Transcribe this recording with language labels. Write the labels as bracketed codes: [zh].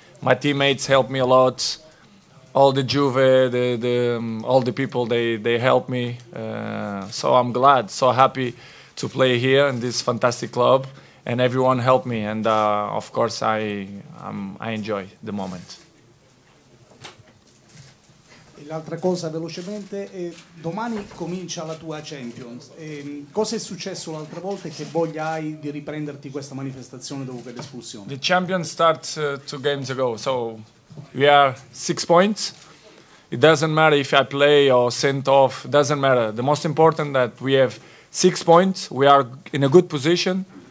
[en] My teammates help me a lot. All the Juve, all the people, they help me. So I'm glad, so happy to play here in this fantastic club. And everyone helped me, and of course I enjoy the moment. [it] E l'altra cosa velocemente, domani comincia la tua Champions. Cosa è successo l'altra volta e che voglia hai di riprenderti questa manifestazione dopo quell'espulsione? [en] The Champions starts 2 games ago, so we are 6 points. It doesn't matter if I play or sent off, doesn't matter. The most important that we have 6 points, we are in a good position.